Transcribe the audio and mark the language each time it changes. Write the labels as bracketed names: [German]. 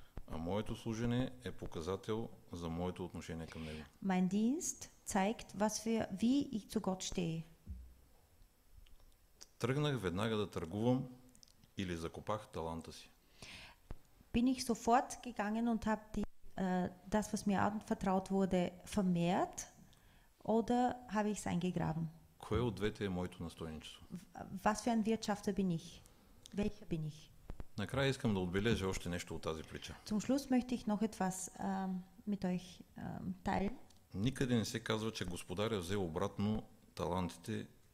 [Bulgarian] А моето служене е показател за моето отношение към Него. [German] Mein Dienst zeigt, wie ich zu Gott stehe. [Bulgarian] Тръгнах веднага да търгувам или закопах таланта си. [German] Bin ich sofort gegangen und habe das, was mir anvertraut wurde, vermehrt oder habe ich es eingegraben? [Bulgarian] Кое от двете е моето настойничество? [German] Was für ein Wirtschafter bin ich? Welcher bin ich? [Bulgarian] Накрая искам да отбележа още нещо от тази притча. [German] Zum Schluss möchte ich noch etwas mit euch teilen. [Bulgarian] Никъде не се казва, че господарят взе обратно талантите.